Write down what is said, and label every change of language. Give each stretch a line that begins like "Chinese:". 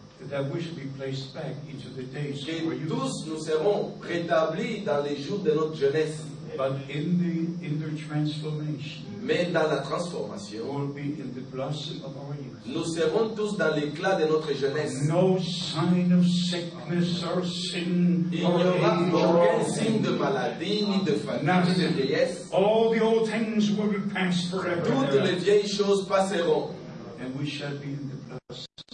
English: That we should be placed back into the days of our youth.
French: Que tous nous serons rétablis dans les jours de notre jeunesse.
English: But in the transformation,
French: mais dans la transformation,
English: we'll be in the blossom of our youth.
French: Nous serons tous dans l'éclat de notre jeunesse.
English: No sign of sickness or sin.
French: Il n'y aura aucun signe de maladie ni de fatigue ni de vieillesse.
English: All the old things will be passed forever.
French: Toutes les vieilles choses passeront.
English: And we shall be in the blossom.